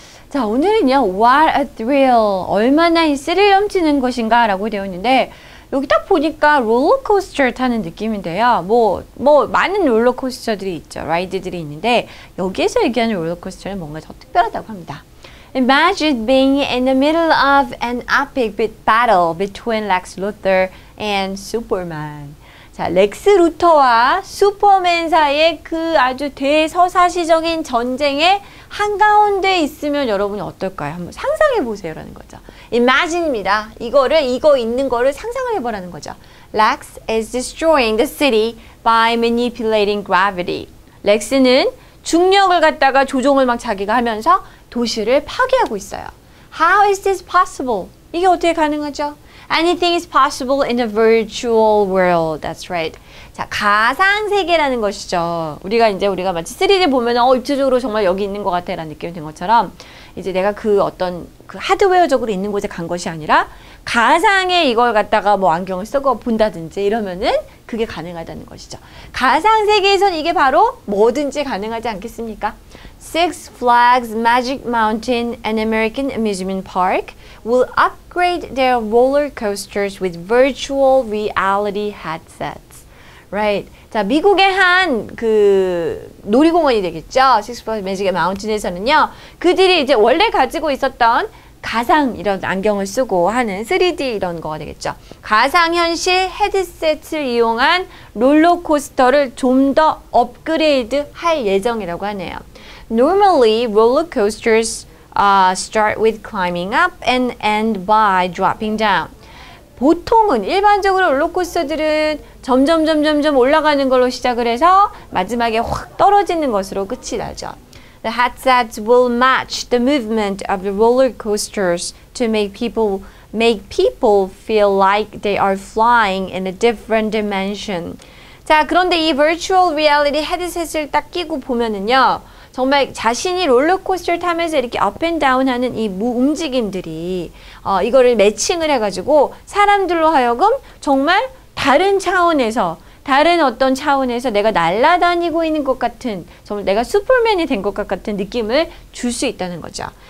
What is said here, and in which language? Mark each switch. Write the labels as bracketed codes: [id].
[ko] 자, 오늘은요. [en] What a thrill. [ko] 얼마나 이 스릴 넘치는 것인가 라고 되어 있는데 여기 딱 보니까 롤러코스터 타는 느낌인데요. 뭐 많은 롤러코스터들이 있죠. 라이드들이 있는데 여기에서 얘기하는 롤러코스터는 뭔가 더 특별하다고 합니다. [en] Imagine being in the middle of an epic battle between Lex Luthor and Superman. [ko] 자, 렉스 루터와 슈퍼맨 사이의 그 아주 대서사시적인 전쟁의 한가운데 있으면 여러분이 어떨까요? 한번 상상해 보세요라는 거죠. Imagine입니다. 이거 있는 거를 상상을 해보라는 거죠. [en] Lex is destroying the city by manipulating gravity. [ko] 렉스는 중력을 갖다가 조종을 막 자기가 하면서 도시를 파괴하고 있어요. [en] How is this possible? [ko] 이게 어떻게 가능하죠? [en] Anything is possible in a virtual world. That's right. [ko] 자, 가상 세계라는 것이죠. 우리가 마치 3D 보면 입체적으로 정말 여기 있는 것 같아라는 느낌이 든 것처럼 이제 내가 그 어떤 그 하드웨어적으로 있는 곳에 간 것이 아니라 가상의 이걸 갖다가 뭐 안경을 쓰고 본다든지 이러면은 그게 가능하다는 것이죠. 가상 세계에선 이게 바로 뭐든지 가능하지 않겠습니까? [en] Six Flags Magic Mountain and American Amusement Park will upgrade their roller coasters with virtual reality headsets. Right. [ko] 자, 미국의 한 그 놀이공원이 되겠죠. Six Flags Magic Mountain에서는요. 그들이 이제 원래 가지고 있었던 가상 이런 안경을 쓰고 하는 3D 이런 거가 되겠죠. 가상현실 헤드셋을 이용한 롤러코스터를 좀 더 업그레이드 할 예정이라고 하네요. [en] Normally, roller coasters start with climbing up and end by dropping down. [ko] 보통은 일반적으로 롤러코스터들은 점점 올라가는 걸로 시작을 해서 마지막에 확 떨어지는 것으로 끝이 나죠. [en] The headsets will match the movement of the roller coasters to make people feel like they are flying in a different dimension. [ko] 자, 그런데 이 virtual reality 헤드셋을 딱 끼고 보면은요. 정말 자신이 롤러코스터를 타면서 이렇게 업앤다운 하는 이 움직임들이 이거를 매칭을 해가지고 사람들로 하여금 정말 다른 차원에서 다른 어떤 차원에서 내가 날아다니고 있는 것 같은 정말 내가 슈퍼맨이 된 것 같은 느낌을 줄 수 있다는 거죠.